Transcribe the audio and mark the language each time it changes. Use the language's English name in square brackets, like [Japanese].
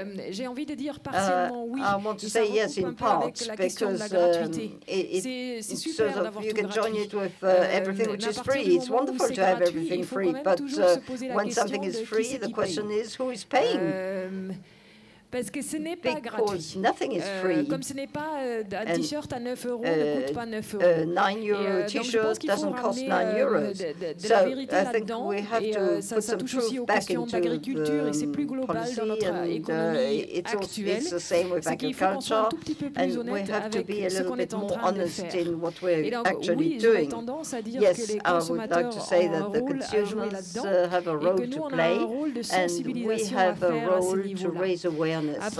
[French] J'ai envie de dire partiellement oui. [English] I want to say yes in part because it's sort of you can join it with everything which is free. It's wonderful to have everything free, but when something is free, the question is who is paying? [French] Parce que ce n'est pas [English] because [French] gratuit. [English] Nothing is free. [French] Comme ce n'est pas un t-shirt à 9 euros ne coûte pas 9 euros. [English] A 9-euro t-shirt doesn't cost 9 euros. So I think we have to put some truth back into the policy, and it's the same with agriculture, and we have to be a little bit more honest in what we're actually doing. Yes, I would like to say that the consumers have a role to play, and we have a role to raise awareness.